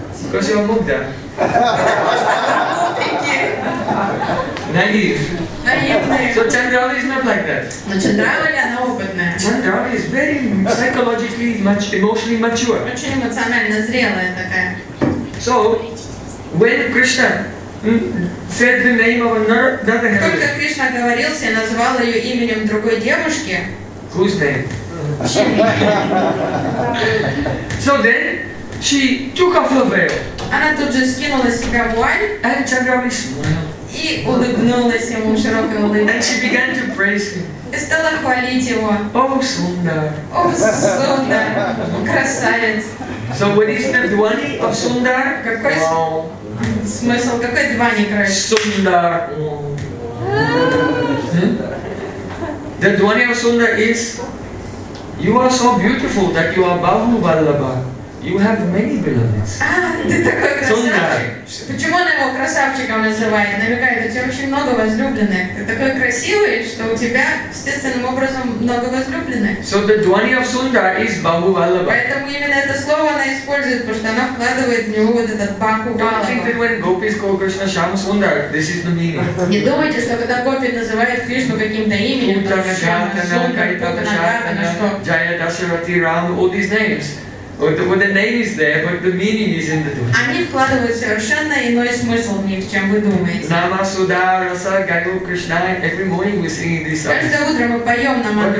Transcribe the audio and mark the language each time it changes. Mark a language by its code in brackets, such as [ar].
[en] Because you're mukta. [ru] Потому что там мутрики. Наивные. [en] So Chandravali is not like that. [ru] Но Chandravali, она опытная. [en] Chandravali is very psychologically, much emotionally mature. [ru] Очень эмоционально зрелая такая. [en] So, when Krishna said the name of another girl. [ru] Только Кришна говорился и назвал ее именем другой девушки. [en] Whose name? So then she took off her veil. [ru] Она тут же скинула с себя вуаль. [en] And Chandravali smiled. [ru] И улыбнулась ему широкой улыбкой. [en] And she began to praise him. [ru] И стала хвалить его. [en] Oh, Sundar. Oh, Sundar. [ru] Красавец. [en] So what is the dwani of Sundar? [ru] Какой смысл? Какой двани, короче? [en] Sundar. The dwani of Sundar is, you are so beautiful that you are Bahubalabha. You have many beloveds. [ru] Ты такой красавчик. Почему она его красавчиком называет? Намекает, у тебя очень много возлюбленных. Ты такой красивый, что у тебя естественным образом много возлюбленных. [en] So the dwani of Sundar is Bahubalabha. [ru] Поэтому именно это слово она использует, потому что она вкладывает в него вот этот Bahubalabha. [en] Don't think that when gopis call Krishna Shyam Sundar, this is the meaning. [ru] Не думайте, что когда гопи называют Кришну каким-то именем, только Shyam Sundar, [en] Putana, Shyam Sundar, Jaya Dasharati Ram, all these names. But the name is there, but the meaning is in the dvani. [ru] Они вкладывают совершенно иной смысл в них, чем вы думаете. [en] Nama Sudha Rasa Gayo Krishna. Every morning we sing this song. [ru] Каждое утро мы поем на мантру.